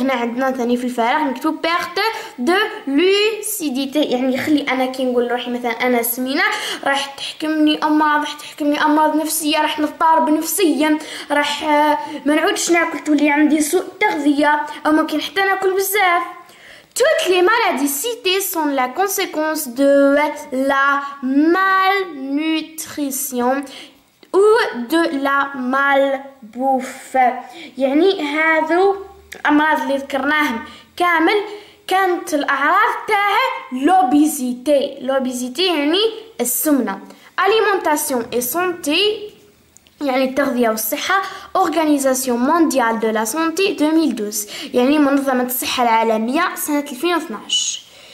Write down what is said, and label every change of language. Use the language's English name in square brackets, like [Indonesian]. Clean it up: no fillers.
[Arabic] هنا عندنا ثاني في الفراغ نكتب [French] perte de lucidité. [Arabic] يعني خلي أنا كي نقول روحي مثلا أنا سمينة راح تحكمني أمراض نفسية راح نضطرب نفسيا راح ما نعودش ناكل تولي عندي سوء تغذية أو ممكن حتى ناكل بزاف. [French] Toutes les maladies citées sont la conséquence de la malnutrition. Ou de la malbouffe. [Arabic] يعني هذو أمراض اللي ذكرناهم كامل كانت الأعراض تاعها لوبيزيتي. لوبيزيتي يعني السمنة. [French] Alimentation et santé [Arabic] يعني التغذية والصحة [French] Organisation mondiale de la santé 2012 [Arabic] يعني منظمة الصحة العالمية سنة 2012.